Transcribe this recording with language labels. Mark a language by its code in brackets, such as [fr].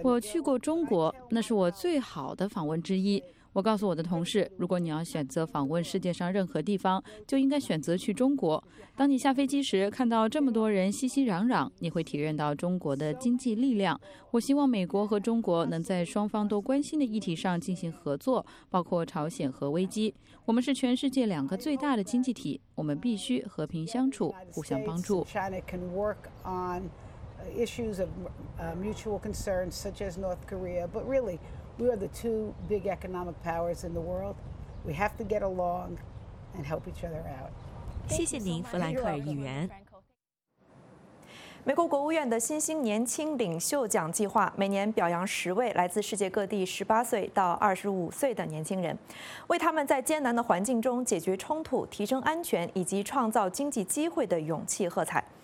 [zh] 我去过中国，那是我最好的访问之一。我告诉我的同事，如果你要选择访问世界上任何地方，就应该选择去中国。当你下飞机时，看到这么多人熙熙攘攘，你会体验到中国的经济力量。我希望美国和中国能在双方都关心的议题上进行合作，包括朝鲜核危机。我们是全世界两个最大的经济体，我们必须和平相处，互相帮助。 [en] China can work on issues of mutual concern, such as North Korea, but really. We are the two big economic powers in the world. We have to get along and help each other out. [zh] 谢谢您，弗兰克尔议员。美国国务院的新兴年轻领袖奖计划每年表扬10位来自世界各地18岁到25岁的年轻人，为他们在艰难的环境中解决冲突、提升安全以及创造经济机会的勇气喝彩。